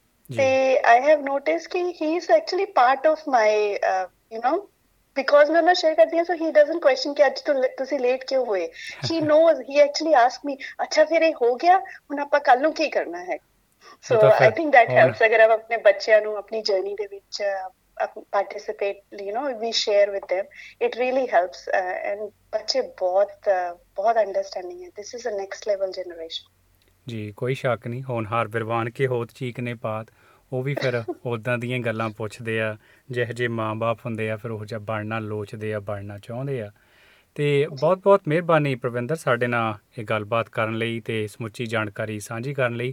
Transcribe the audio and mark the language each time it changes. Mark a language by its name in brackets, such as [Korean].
[Punjabi] ਤੇ [English] I have notice ਕਿ he is actually part of my you know because [Punjabi] ਮੈਂ ਉਹਨਾਂ ਸ਼ੇਅਰ ਕਰਦੀ ਹਾਂ, [English] so he doesn't question [Punjabi] ਕਿ ਅੱਜ ਤੁਸੀਂ ਲੇਟ ਕਿਉਂ ਹੋਏ, [English] he knows, he actually ask me, [Punjabi] ਅੱਛਾ ਫਿਰ ਇਹ ਹੋ ਗਿਆ ਹੁਣ ਆਪਾਂ ਕੱਲ ਨੂੰ ਕੀ ਕਰਨਾ ਹੈ। [English] so I think that helps [Punjabi] ਅਗਰ ਆਪਾਂ ਆਪਣੇ ਬੱਚਿਆਂ ਨੂੰ ਆਪਣੀ ਜਰਨੀ ਦੇ ਵਿੱਚ [English] participate, we share with them. It really helps, and [Punjabi] bachche bahut understanding hai. [English] This is a next level generation. [Punjabi] ਜੀ ਕੋਈ ਸ਼ੱਕ ਨਹੀਂ, [Hindi] ਹੋਣਹਾਰ ਬਿਰਵਾਨ ਕੇ ਹੋਤ ਚੀਕ ਨੇ ਪਾਤ, [Punjabi] ਉਹ ਵੀ ਫਿਰ ਉੱਦਾਂ ਦੀਆਂ ਗੱਲਾਂ ਪੁੱਛਦੇ ਆ ਜਿਹੋ ਜਿਹੇ ਮਾਂ ਬਾਪ ਹੁੰਦੇ ਆ, ਫਿਰ ਉਹੋ ਜਿਹਾ ਬਣਨਾ ਲੋਚਦੇ ਆ, ਬਣਨਾ ਚਾਹੁੰਦੇ ਆ। ਅਤੇ ਬਹੁਤ ਬਹੁਤ ਮਿਹਰਬਾਨੀ ਪ੍ਰਵਿੰਦਰ ਸਾਡੇ ਨਾਲ ਇਹ ਗੱਲਬਾਤ ਕਰਨ ਲਈ ਅਤੇ ਸਮੁੱਚੀ ਜਾਣਕਾਰੀ ਸਾਂਝੀ ਕਰਨ ਲਈ।